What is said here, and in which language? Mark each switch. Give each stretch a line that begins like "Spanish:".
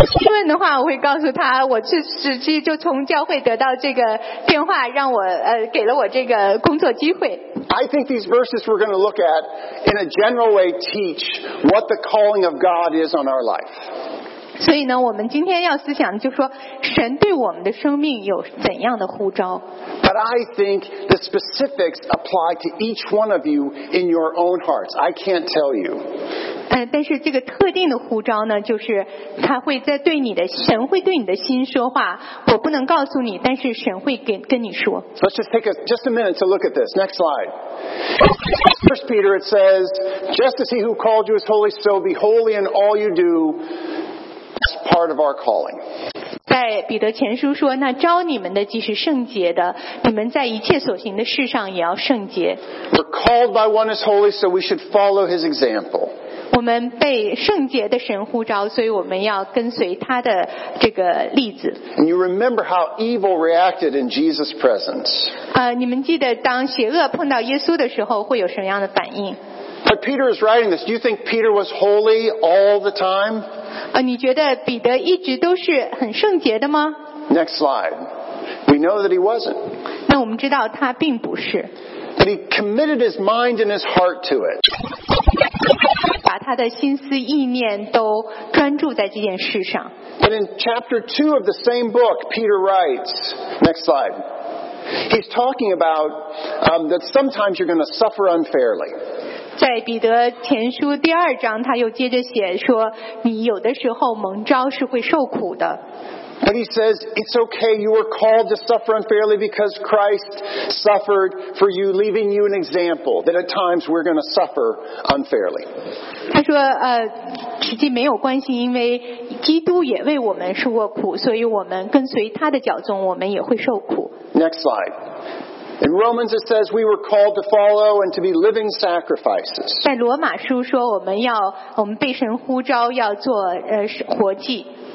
Chinese: 问的话，我会告诉他，我实际就从教会得到这个电话，让我给了我这个工作机会。
English: I think these verses we're going to look at in a general way teach what the calling of God is on our life.
Chinese: 所以呢，我们今天要思想就是说，神对我们的生命有怎样的呼召。
English: But I think the specifics apply to each one of you in your own hearts. I can't tell you.
Chinese: 但是这个特定的呼召呢，就是他会在对你的神会对你的心说话。我不能告诉你，但是神会跟你说。
English: Let's just take just a minute to look at this. Next slide. First Peter it says, "Just as he who called you is holy, so be holy in all you do." That's part of our calling.
Chinese: 在彼得前书说，那招你们的既是圣洁的，你们在一切所行的事上也要圣洁。
English: We're called by one as holy, so we should follow his example.
Chinese: 我们被圣洁的神呼召，所以我们要跟随他的这个例子。
English: And you remember how evil reacted in Jesus' presence.
Chinese: 你们记得当邪恶碰到耶稣的时候会有什么样的反应？
English: But Peter is writing this. Do you think Peter was holy all the time?
Chinese: 你觉得彼得一直都是很圣洁的吗？
English: Next slide. We know that he wasn't.
Chinese: 那我们知道他并不是。
English: But he committed his mind and his heart to it.
Chinese: 把他的心思意念都专注在这件事上。
English: But in chapter 2 of the same book, Peter writes, next slide. He's talking about, that sometimes you're going to suffer unfairly.
Chinese: 在彼得前书第二章，他又接着写说：“你有的时候蒙召是会受苦的。”
English: But he says it's okay. You were called to suffer unfairly because Christ suffered for you, leaving you an example that at times we're going to suffer unfairly.
Chinese: 他说：“实际没有关系，因为基督也为我们受过苦，所以我们跟随他的脚踪，我们也会受苦。”
English: Next slide. In Romans it says we were called to follow and to be living sacrifices.
Chinese: 在罗马书说我们被神呼召要做活祭。